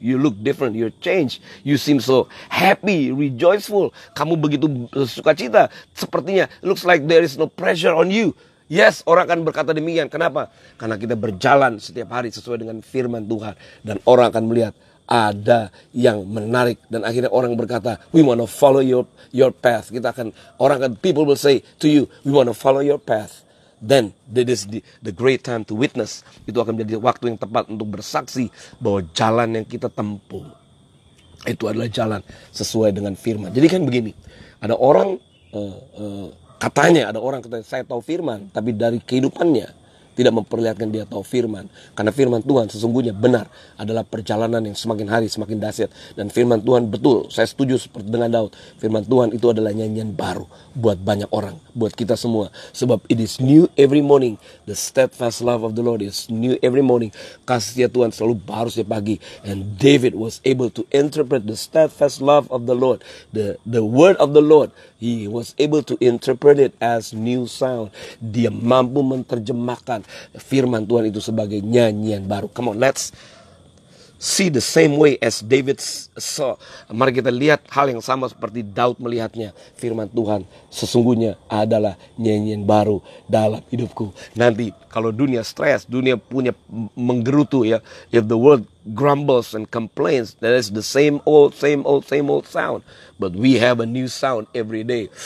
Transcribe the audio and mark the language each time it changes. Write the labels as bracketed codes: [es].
[en] You look different, you're changed, you seem so happy, rejoiceful, [id] kamu begitu sukacita, sepertinya, [en] looks like there is no pressure on you. Yes, [id] orang akan berkata demikian. Kenapa? Karena kita berjalan setiap hari sesuai dengan firman Tuhan, dan orang akan melihat ada yang menarik, dan akhirnya orang berkata, [en] we want to follow your path. People will say to you, we want to follow your path. Then this is the great time to witness. [id] Itu akan menjadi waktu yang tepat untuk bersaksi bahwa jalan yang kita tempuh itu adalah jalan sesuai dengan firman. Jadi kan begini, ada orang katanya saya tahu firman, tapi dari kehidupannya tidak memperlihatkan dia tahu firman. Karena firman Tuhan sesungguhnya benar adalah perjalanan yang semakin hari semakin dahsyat. Dan firman Tuhan betul, saya setuju seperti dengan Daud, firman Tuhan itu adalah nyanyian baru buat banyak orang, buat kita semua. Sebab [en] it is new every morning, the steadfast love of the Lord is new every morning. [id] Kasih Tuhan selalu baru setiap pagi. [en] And David was able to interpret the steadfast love of the Lord, the word of the Lord, he was able to interpret it as new sound. [id] Dia mampu menerjemahkan firman Tuhan itu sebagai nyanyian baru. [en] Come on, let's see the same way as David saw. [id] Mari kita lihat hal yang sama seperti Daud melihatnya. Firman Tuhan sesungguhnya adalah nyanyian baru dalam hidupku. Nanti kalau dunia stres, dunia punya menggerutu ya. [en] If the world grumbles and complains, that is the same old, same old, same old sound. But we have a new sound every day.